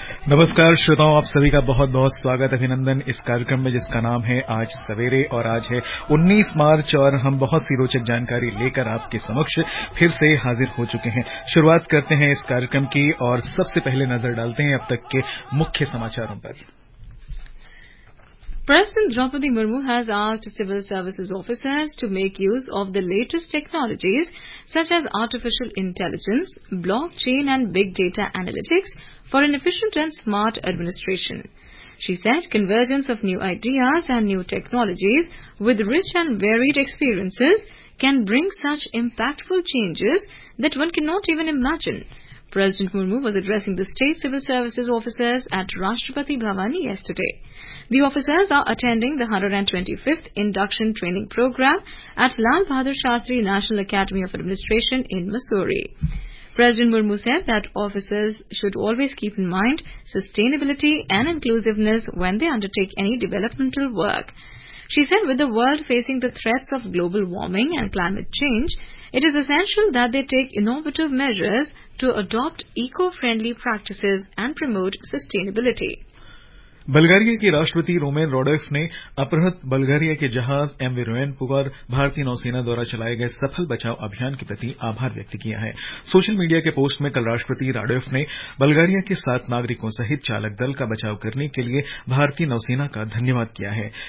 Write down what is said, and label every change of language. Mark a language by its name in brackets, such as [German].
[Hindi] नमस्कार श्रोताओं, आप सभी का बहुत बहुत स्वागत अभिनंदन इस कार्यक्रम में जिसका नाम है आज सवेरे। और आज है 19 मार्च और हम बहुत सी रोचक जानकारी लेकर आपके समक्ष फिर से हाजिर हो चुके हैं। शुरुआत करते हैं इस कार्यक्रम की और सबसे पहले नजर डालते हैं अब तक के मुख्य समाचारों पर। [English] President Draupadi Murmu has asked civil services officers to make use of the latest technologies such as artificial intelligence, blockchain and big data analytics for an efficient and smart administration. She said convergence of new ideas and new technologies with rich and varied experiences can bring such impactful changes that one cannot even imagine. President Murmu was addressing the state civil services officers at Rashtrapati Bhavan yesterday. The officers are attending the 125th induction training program at Lal Bahadur Shastri National Academy of Administration in Mussoorie. President Murmu said that officers should always keep in mind sustainability and inclusiveness when they undertake any developmental work. She said with the world facing the threats of global warming and climate change, it is essential that they take innovative measures to adopt eco-friendly practices and promote sustainability. [Hindi] Bulgaria के राष्ट्रपति romaine रोडोल्फ ने अपहृत बल्गारिया के जहाज MV रोएन पर भारतीय नौसेना द्वारा चलाए गए सफल बचाव अभियान के प्रति आभार व्यक्त किया है। सोशल मीडिया के पोस्ट में कल राष्ट्रपति रोडोल्फ ने बल्गारिया के 7 नागरिकों सहित चालक दल का बचाव करने के लिए भारतीय नौसेना का धन्यवाद किया है।